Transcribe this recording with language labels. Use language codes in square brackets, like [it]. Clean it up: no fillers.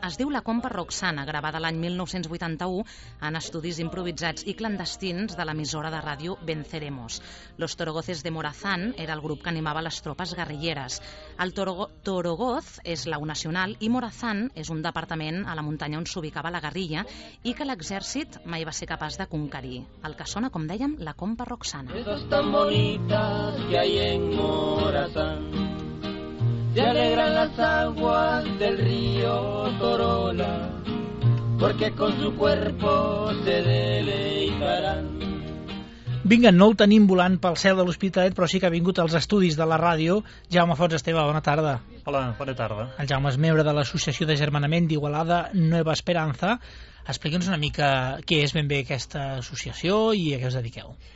[ca] Es diu La Compa Roxana, gravada l'any 1981 en estudis improvisats i clandestins de l'emissora de ràdio Venceremos. Los Torogoces de Morazán era el grup que animava les tropes guerrilleres. El Torogoz és l'au nacional i Morazán és un departament a la muntanya on s'ubicava la guerrilla i que l'exèrcit mai va ser capaç de conquerir. El que sona, com dèiem, La Compa Roxana. [es] Esos tan bonitas que hay en Morazán, se alegran las aguas del río Torola, porque con su cuerpo se deleitarán. [ca] Vinga, no el tenim volant pel cel de l'Hospitalet, però sí que ha vingut als estudis de la ràdio. Jaume Fons Esteve, bona tarda. Hola, bona tarda. El Jaume és membre de l'Associació de Germanament d'Igualada Nueva Esperanza. Explica'ns una mica què és ben bé aquesta associació i a què us dediqueu.